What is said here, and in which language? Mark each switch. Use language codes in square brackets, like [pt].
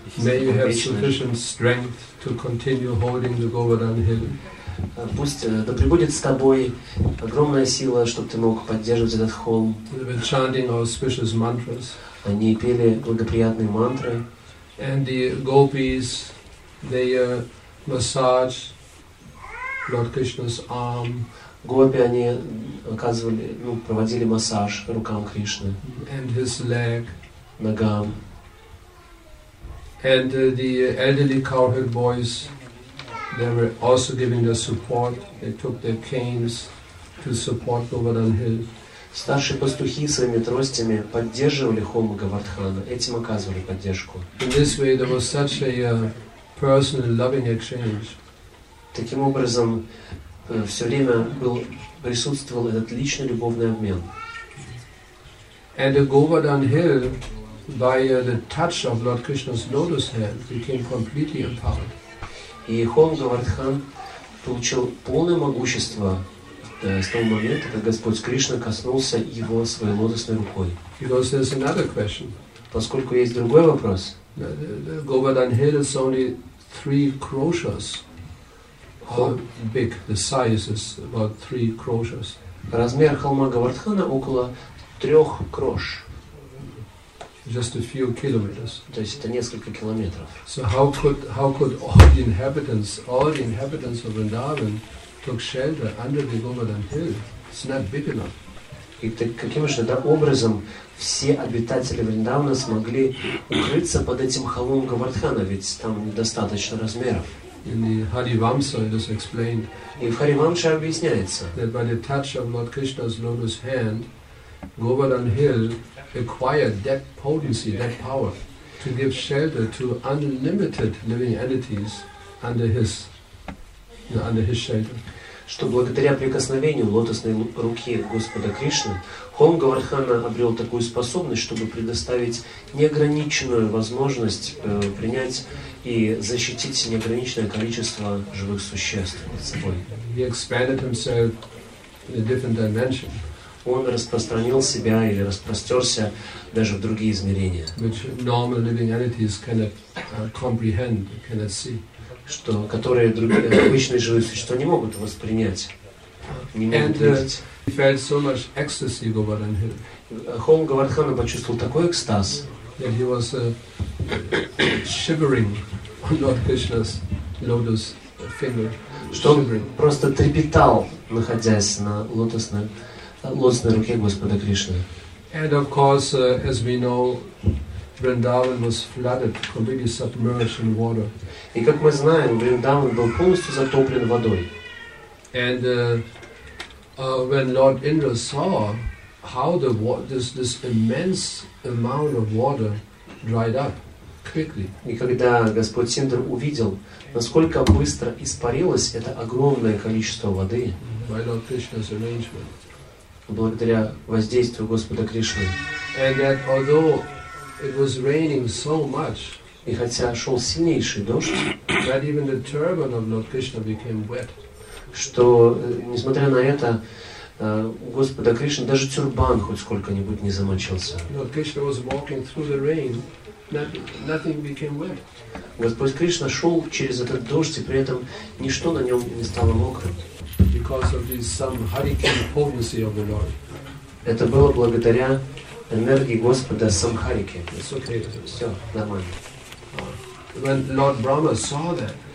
[en] May you have sufficient strength to continue holding the Govardhan Hill. [ru] Пусть да прибудет с тобой огромная сила, чтобы ты мог поддерживать этот холм. [en] They were chanting auspicious mantras. [ru] Они пели благоприятные мантры. [en] And the gopis, they massage Lord Krishna's arm. [ru] Гопи, они оказывали, ну, проводили массаж рукам Кришны. [en] And his leg. [ru] Ногам. [en] And the elderly cowherd boys, they were also giving their support. They took their canes to support Govardhan Hill. [ru] Старшие пастухи своими тростями поддерживали холм Говардхана, этим оказывали поддержку. [en] In this way, there was such a personal loving exchange. [ru] Таким образом, все время присутствовал этот личный любовный обмен. [en] And the Govardhan Hill, by the touch of Lord Krishna's lotus hand, became completely empowered. [ru] И холм Говардхан получил полное могущество с того момента, когда Господь Кришна коснулся его своей лотосной рукой. [en] Because there's another question. [ru] Поскольку есть другой вопрос. [en] The Govardhan Hill is only 3 kroshas. Big. The size is about 3 kroshas. [ru] Размер холма Говардхана около 3 крош. [en] Just a few kilometers. [ru] То есть это несколько километров. [en] So how could all the inhabitants of Vrindavan took shelter under the Govardhan Hill? It's not big enough. [ru] И так каким же образом все обитатели Вриндавана смогли укрыться под этим холмом Говардхана, ведь там недостаточно размеров? [en] In the Harivamsa it is explained. [ru] И в Харивамше объясняется. [en] That by the touch of Lord Krishna's lotus hand, Govardhan Hill acquired that potency, that power, to give shelter to unlimited living entities under his shelter. [ru] Что благодаря прикосновению лотосной руки Господа Кришны, холм Говардхана обрел такую способность, чтобы предоставить неограниченную возможность принять и защитить неограниченное количество живых существ под собой. [en] He expanded himself in a different dimension. [ru] Он распространил себя или распростерся даже в другие измерения. [en] Which normal living entities cannot comprehend, cannot see. [ru] Которые другие обычные живые существа не могут воспринять. [en] He felt so much ecstasy, Govardhan Hill. [ru] Home Govardhana почувствовал такой экстаз, [en] that he was shivering on Lord Krishna's lotus finger. [ru] Что он просто трепетал, находясь на лотосной руке Господа Кришны. [en] And of course, as we know, Vrindavan was flooded, completely submerged in water. [ru] И как мы знаем, Вриндаван был полностью затоплен водой. [en] And when Lord Indra saw how the this immense amount of water dried up quickly. [ru] И когда Господь Индра увидел, насколько быстро испарилось это огромное количество воды, [en] by Lord Krishna's arrangement. [ru] Благодаря воздействию Господа Кришны. [en] And that although it was raining so much, [ru] и хотя шел сильнейший дождь, [en] that even the turban of Lord Krishna became wet. [ru] Что, несмотря на это, у Господа Кришны даже тюрбан хоть сколько-нибудь не замочился. [en] Lord Krishna was walking through the rain, nothing became wet. [ru] Господь Кришна шел через этот дождь, и при этом ничто на нем не стало мокрым. [en] Because of this some hurricane potency of the Lord. [ru] Это было благодаря энергии Господа Самхарики. [en] It's okay. [ru] Все, нормально. [en] When Lord Brahma saw that,